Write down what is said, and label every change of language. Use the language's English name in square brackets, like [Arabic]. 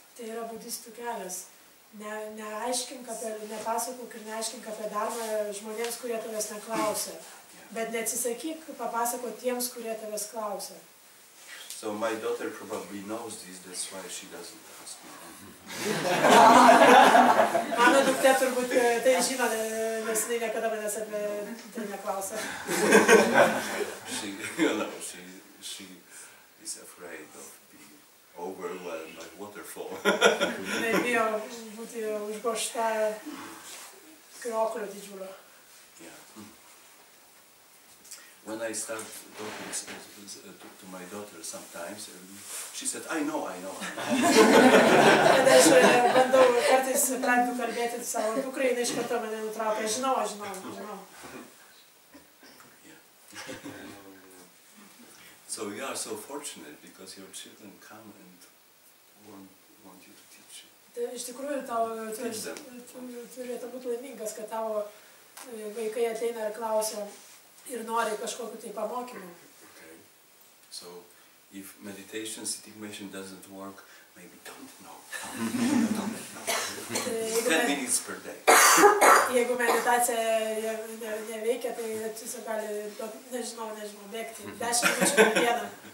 [Lithuanian] Tai yra budistų kelias. Neaiškink apie, nepasakok ir neaiškink apie darbą žmonėms, kurie tavęs neklausia. [English] Yeah. [Lithuanian] Bet neatsisakyk papasakot tiems, kurie tavęs klausia. [English] So my daughter probably knows this, that's why she doesn't. [Lithuanian] Mano duktė turbūt tai žino, nes jis niekada manęs apie tai neklausė. [English] She, you know, she is afraid of being overwhelmed by waterfall. [Lithuanian] Ne bijo būti užgošta krioklio didžiulio. [English] When I start talking to my daughter sometimes, she said, I know. [Lithuanian] And aš bandau kartais pradėti kalbėti savo dukrai, jinai iš karto mane nutraukė, žinau. [English] So you are so fortunate because your children come and want you to teach. [Lithuanian] Iš tikrųjų, turėtų būti laimingas, kad tavo vaikai ateina ir klausia, ir nori kažkokiu tai pamokymu. [English] Okay. So if meditation sitting meditation doesn't work, maybe don't know. Don't know. 10 minutes per day. [Lithuanian] Jeigu meditacija neveikia, tai tiesiog gali, nežinau, bėgti 10 minučių per dieną.